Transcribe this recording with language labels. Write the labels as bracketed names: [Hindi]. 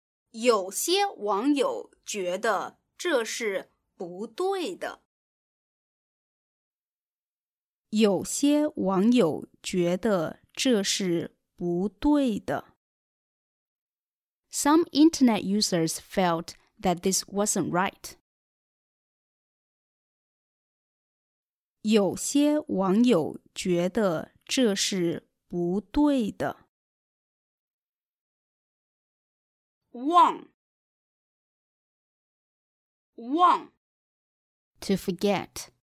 [Chinese] 有些网友觉得这是不对的。有些网友觉得这是不对的。 [English] Some internet users felt that this wasn't right. [Chinese] 有些网友觉得这是不对的。忘，忘。 [English] To forget.